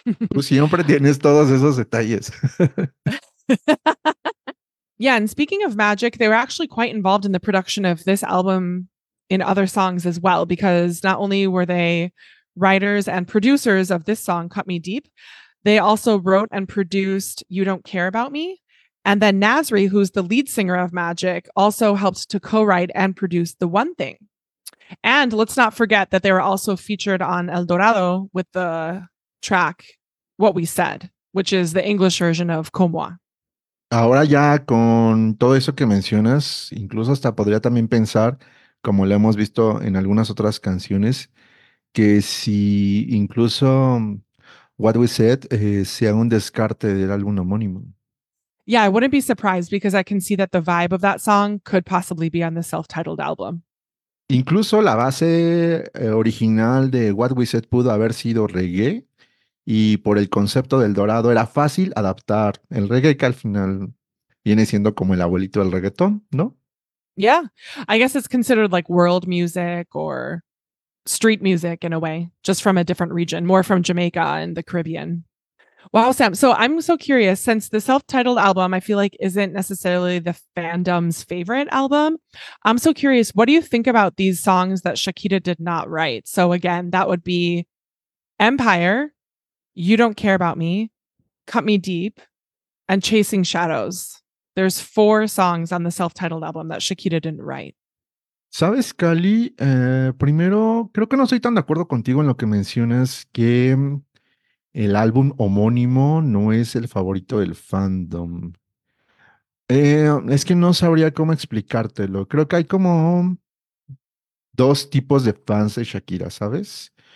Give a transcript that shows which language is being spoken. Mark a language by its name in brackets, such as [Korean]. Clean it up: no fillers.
[Spanish] Tú siempre tienes todos esos detalles. [English] Yeah, and speaking of Magic, they were actually quite involved in the production of this album in other songs as well, because not only were they writers and producers of this song, Cut Me Deep, they also wrote and produced You Don't Care About Me. And then Nasri, who's the lead singer of Magic, also helped to co-write and produce The One Thing. And let's not forget that they were also featured on El Dorado with the track What We Said, which is the English version of Comoa. [Spanish] Ahora ya con todo eso que mencionas, incluso hasta podría también pensar, como lo hemos visto en algunas otras canciones, que si incluso What We Said sea un descarte del álbum homónimo. [English] Yeah, I wouldn't be surprised, because I can see that the vibe of that song could possibly be on the self-titled album. [Spanish] Incluso la base original de What We Said pudo haber sido reggae, y por el concepto del dorado era fácil adaptar el reggae, que al final viene siendo como el abuelito del reggaetón, ¿no? [English] Yeah, I guess it's considered like world music or street music in a way, just from a different region, more from Jamaica and the Caribbean. Wow, Sam. So I'm so curious, since the self-titled album, I feel like, isn't necessarily the fandom's favorite album. I'm so curious, what do you think about these songs that Shakira did not write? So again, that would be Empire, You Don't Care About Me, Cut Me Deep, and Chasing Shadows. There's four songs on the self-titled album that Shakira didn't write. [Spanish] Sabes, Cali, primero, creo que no soy tan de acuerdo contigo en lo que mencionas, que el álbum homónimo no es el favorito del fandom. Es que no sabría cómo explicártelo. Creo que hay como dos tipos de fans de Shakira, ¿sabes?